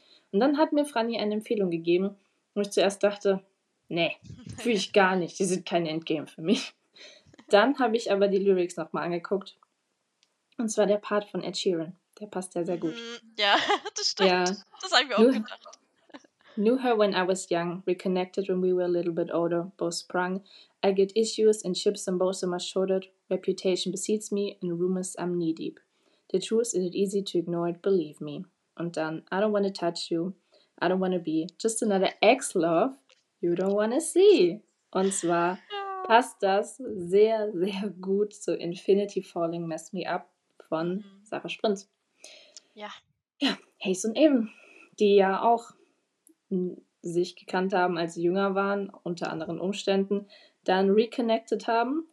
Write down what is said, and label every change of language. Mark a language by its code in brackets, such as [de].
[de] Und dann hat mir Franny eine Empfehlung gegeben, wo ich zuerst dachte, nee, fühle ich gar nicht, die sind kein Endgame für mich. Dann habe ich aber die Lyrics nochmal angeguckt. Und zwar der Part von Ed Sheeran. Der passt ja sehr gut. Ja, das stimmt. Ja. Das habe ich mir auch gedacht. [en] Knew her when I was young, reconnected when we were a little bit older, both sprung. I get issues and chips on both of my shoulders, reputation besieges me, and rumors I'm knee-deep. The truth isn't easy to ignore it, believe me. [de] Und dann, [en] I don't want to touch you. I don't want to be just another ex-love you don't want to see. [de] Und zwar passt das sehr, sehr gut zu Infinity Falling Mess Me Up von Sarah Sprint. Ja. Ja, Hayes und Aven, die ja auch sich gekannt haben, als sie jünger waren, unter anderen Umständen, dann reconnected haben.